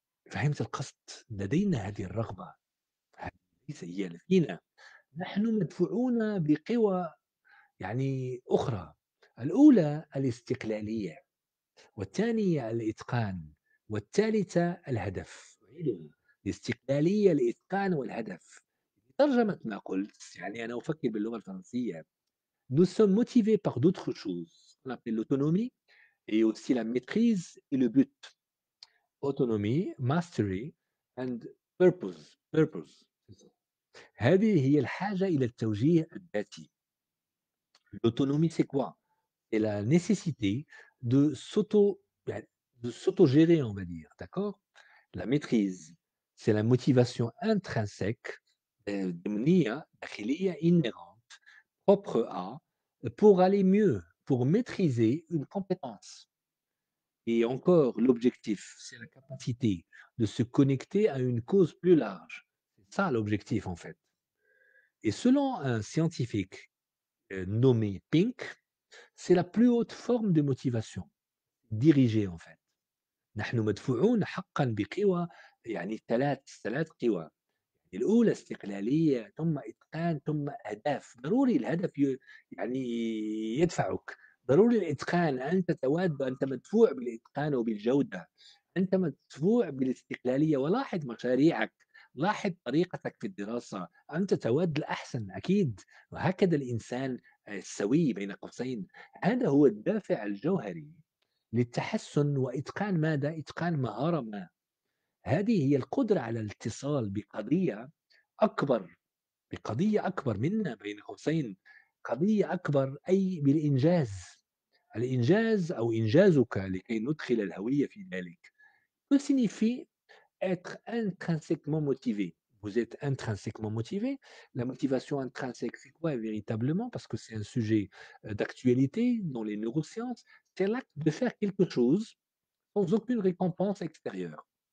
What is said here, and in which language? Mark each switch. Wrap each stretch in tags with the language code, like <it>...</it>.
<ar>فهمت القصد؟ لدينا هذه الرغبة، ليس هي فينا، نحن مدفوعون بقوى يعني أخرى، الأولى الاستقلالية، والثانية الإتقان، والثالثة الهدف. الاستقلالية، الإتقان، والهدف. ترجمة ما قلت، يعني أنا أفكر باللغة الفرنسية،</ar> <fr>nous sommes motivés par d'autres choses qu'on appelle l'autonomie et aussi la maîtrise et le but.</fr> <en>Autonomy, mastery and purpose. Purpose.</en> <ar>هذه هي الحاجة إلى التوجيه الذاتي.</ar> <fr>L'autonomie, c'est quoi? C'est la nécessité de s'auto-gérer, on va dire. D'accord? La maîtrise, c'est la motivation intrinsèque</fr> <ar>ضمنية داخلية</ar> <fr>inhérente propre à pour aller mieux, pour maîtriser une compétence. Et encore, l'objectif, c'est la capacité de se connecter à une cause plus large. C'est ça l'objectif en fait. Et selon un scientifique nommé Pink, c'est la plus haute forme de motivation dirigée en fait.</fr> <ar>نحن مدفوعون حقا بقوى، يعني ثلاث قوى. الأولى استقلالية، ثم إتقان، ثم أهداف. ضروري الهدف يعني يدفعك، ضروري الإتقان، أنت تود، أنت مدفوع بالإتقان وبالجودة، أنت مدفوع بالاستقلالية. ولاحظ مشاريعك، لاحظ طريقتك في الدراسة، أنت تود الأحسن أكيد، وهكذا الإنسان السوي بين قوسين. هذا هو الدافع الجوهري للتحسن. وإتقان ماذا؟ إتقان مهارة ما. هذه هي القدرة على الاتصال بقضية أكبر، بقضية أكبر منا بين قوسين، قضية أكبر أي بالإنجاز، الإنجاز أو إنجازك لكي ندخل الهوية في ذلك.</ar> <fr>Que signifie être intrinsèquement motivé? Vous êtes intrinsèquement motivé. La motivation intrinsèque, c'est quoi véritablement? Parce que c'est un sujet d'actualité dans les neurosciences. C'est l'acte de faire quelque chose sans aucune récompense extérieure.</fr>